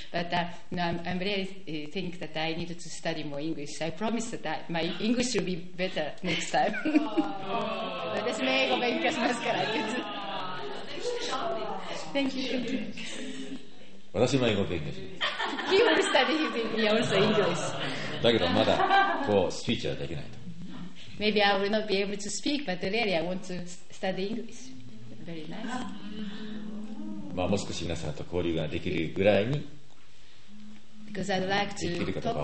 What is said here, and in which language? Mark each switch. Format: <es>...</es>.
<en>But no, I'm really think that I need to study more English. I promise that my English will be better next time.</en> <ja>私も英語勉強しますから。</ja> <en>Thank you.</en> <ja>私も英語勉強します。</ja> <en>He will study his English English.</en> <ja>だけどまだこうスピーチはできないと。</ja> <en>Maybe I will not be able to speak, but really I want to study English.</en> <ja>まあ、もう少し皆さんと交流ができるぐらいにできるかどうか</ja>